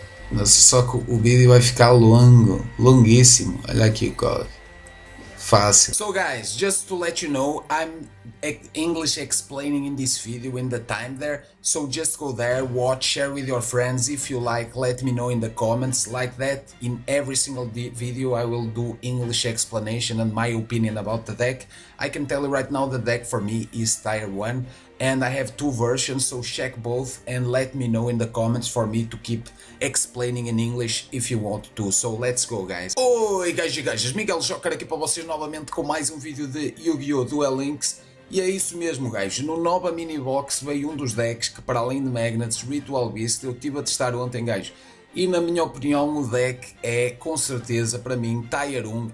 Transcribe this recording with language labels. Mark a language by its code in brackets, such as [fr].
[pt] Nossa, só que o vídeo vai ficar longo, longuíssimo. Olha aqui o código. Fácil. [en] So guys, just to let you know, I'm English explaining in this video in the time there. So just go there, watch, share with your friends. If you like, let me know in the comments. Like that, in every single video, I will do English explanation and my opinion about the deck. I can tell you right now, the deck for me is Tier 1. And I have two versions, so check both and let me know in the comments for me to keep explaining in English if you want to. So let's go, guys. [pt] Oi, gajos e gajas, Miguel Joker aqui para vocês novamente com mais um vídeo de Yu-Gi-Oh! Duel Links. E é isso mesmo, gajos. No Nova Mini Box veio um dos decks que, para além de Magnets, Ritual Beast, eu tive a testar ontem, gajos. E na minha opinião, o deck é com certeza para mim Tier 1.